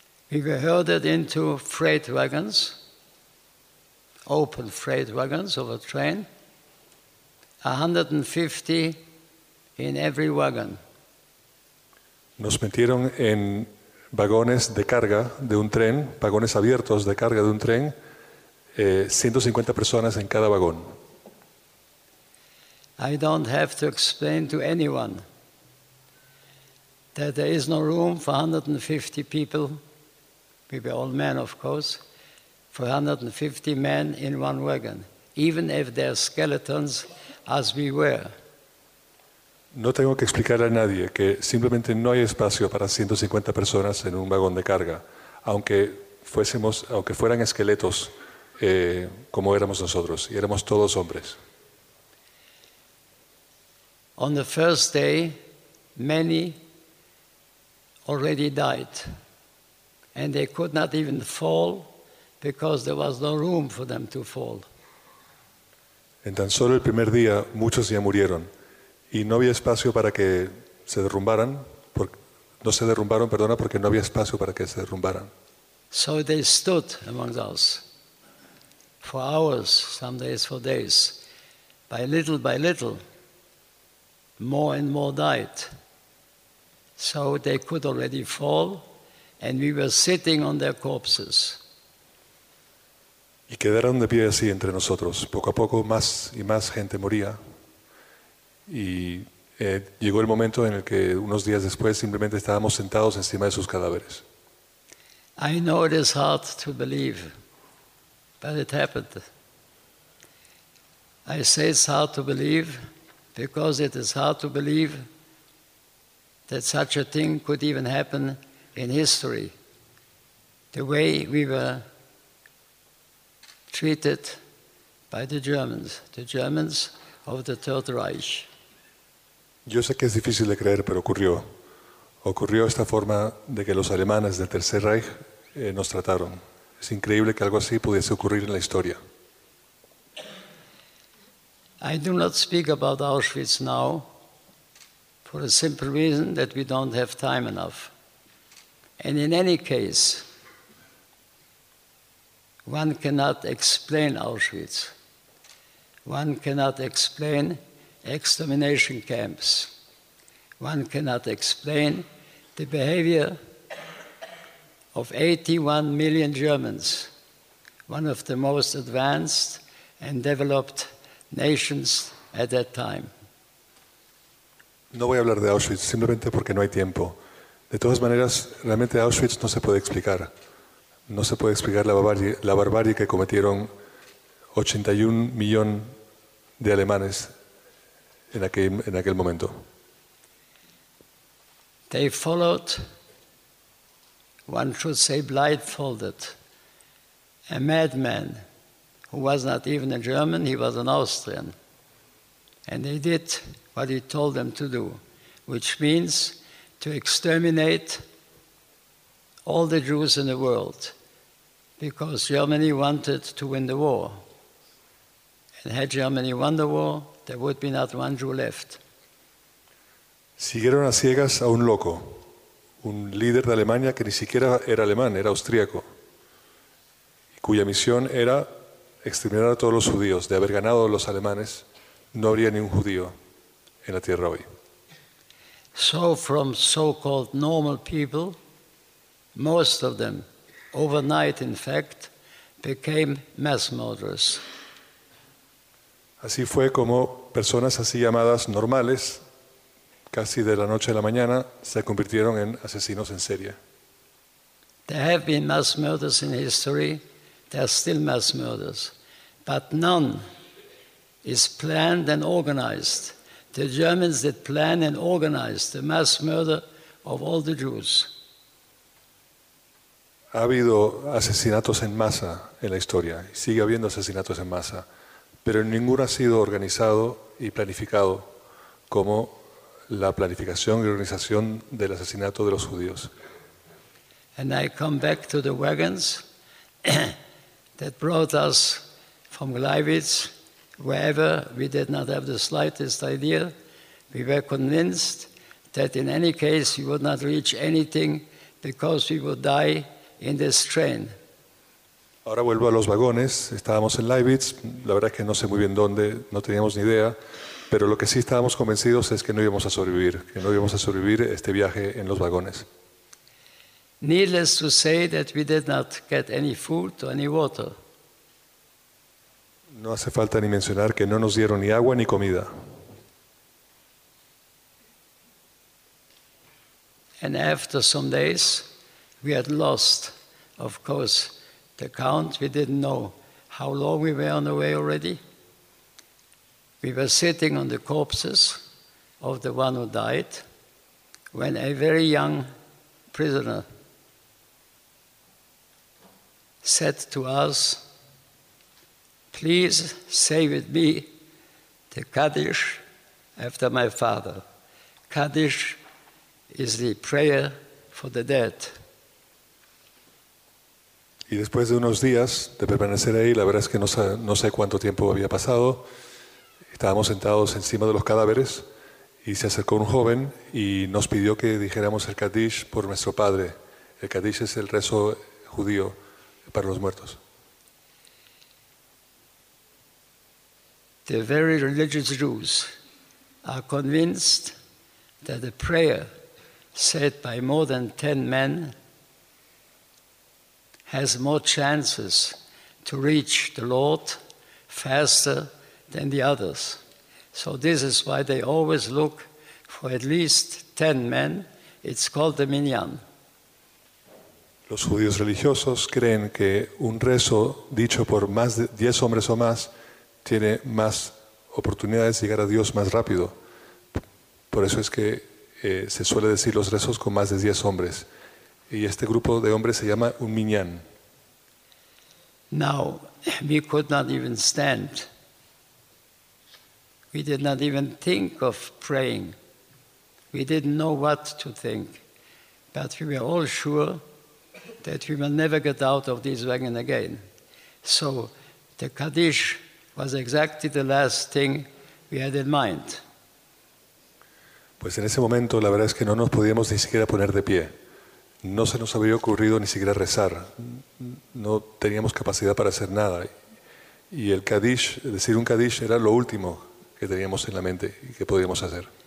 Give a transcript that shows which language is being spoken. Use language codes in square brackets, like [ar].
[en] We were herded into freight wagons, open freight wagons of a train, 150 in every wagon. [es] Nos metieron en vagones de carga de un tren, vagones abiertos de carga de un tren, 150 personas en cada vagón. [en] I don't have to explain to anyone that there is no room for 150 people. We were all men, of course, for 150 men in one wagon, even if they're skeletons, as we were. [es] No tengo que explicar a nadie que simplemente no hay espacio para 150 personas en un vagón de carga, aunque fueran esqueletos como éramos nosotros, y éramos todos hombres. [en] On the first day, many already died, and they could not even fall because there was no room for them to fall. [es] En tan solo el primer día, muchos ya murieron. Y no había espacio para que se derrumbaran, porque no había espacio para que se derrumbaran. [en] So they stood among us for hours, some days for days. By little, more and more died. So they could already fall, and we were sitting on their corpses. [es] Y quedaron de pie así entre nosotros. Poco a poco, más y más gente moría. Y llegó el momento en el que unos días después simplemente estábamos sentados encima de sus cadáveres. [en] I know it is hard to believe, but it happened. I say it's hard to believe because it is hard to believe that such a thing could even happen in history. The way we were treated by the Germans of the Third Reich. [es] Yo sé que es difícil de creer, pero ocurrió. Ocurrió esta forma de que los alemanes del Tercer Reich nos trataron. Es increíble que algo así pudiese ocurrir en la historia. [en] I do not speak about Auschwitz now for a simple reason that we don't have time enough. And in any case, one cannot explain Auschwitz. One cannot explain extermination camps. One cannot explain the behavior of 81 million Germans, one of the most advanced and developed nations at that time. [es] No voy a hablar de Auschwitz simplemente porque no hay tiempo. De todas maneras, realmente Auschwitz no se puede explicar. No se puede explicar la barbarie que cometieron 81 millones de alemanes en aquel momento. [en] They followed, one should say blindfolded, a madman who was not even a German, he was an Austrian. And they did what he told them to do, which means to exterminate all the Jews in the world, because Germany wanted to win the war. And had Germany won the war, there would be not one Jew left. [es] Siguieron a ciegas a un loco, un líder de Alemania que ni siquiera era alemán, era austríaco, cuya misión era exterminar a todos los judíos. De haber ganado a los alemanes, no habría ni un judío en la tierra hoy. [en] So from so-called normal people, most of them, overnight in fact, became mass murderers. [es] Así fue como personas así llamadas normales, casi de la noche a la mañana, se convirtieron en asesinos en serie. [en] There have been mass murders in history. There are still mass murders, but none is planned and organized. The Germans did plan and organize the mass murder of all the Jews. [es] Ha habido asesinatos en masa en la historia, sigue habiendo asesinatos en masa, pero ninguno ha sido organizado y planificado como la planificación y organización del asesinato de los judíos. [en] And I come back to the wagons that brought us from Gleiwitz, wherever we did not have the slightest idea. We were convinced that in any case we would not reach anything because we would die in this train. [es] Ahora vuelvo a los vagones. Estábamos en Gleiwitz. La verdad es que no sé muy bien dónde. No teníamos ni idea. Pero lo que sí estábamos convencidos es que no íbamos a sobrevivir. Que no íbamos a sobrevivir este viaje en los vagones. [en] Needless to say that we did not get any food or any water. [es] No hace falta ni mencionar que no nos dieron ni agua ni comida. [en] And after some days, we had lost, of course, the count. We didn't know how long we were on the way already. We were sitting on the corpses of the one who died when a very young prisoner said to us, "Please say with me the Kaddish after my father." Kaddish is the prayer for the dead. [es] Y después de unos días de permanecer ahí, la verdad es que no sé cuánto tiempo había pasado, estábamos sentados encima de los cadáveres y se acercó un joven y nos pidió que dijéramos el Kaddish por nuestro padre. El Kaddish es el rezo judío para los muertos. [en] The very religious Jews are convinced that a prayer said by more than 10 men has more chances to reach the Lord faster than the others. So this is why they always look for at least 10 men. It's called the minyan. [es] Los judíos religiosos creen que un rezo dicho por más de 10 hombres o más tiene más oportunidades de llegar a Dios más rápido. Por eso es que se suele decir los rezos con más de 10 hombres. Y este grupo de hombres se llama un minyan. [en] Now, we could not even stand. We did not even think of praying. We didn't know what to think. But we were all sure that we will never get out of this wagon again. So the Kaddish was exactly the last thing we had in mind. [es] Pues en ese momento la verdad es que no nos podíamos ni siquiera poner de pie. No se nos había ocurrido ni siquiera rezar. No teníamos capacidad para hacer nada. Y el Kaddish, decir un Kaddish, era lo último que teníamos en la mente y que podíamos hacer.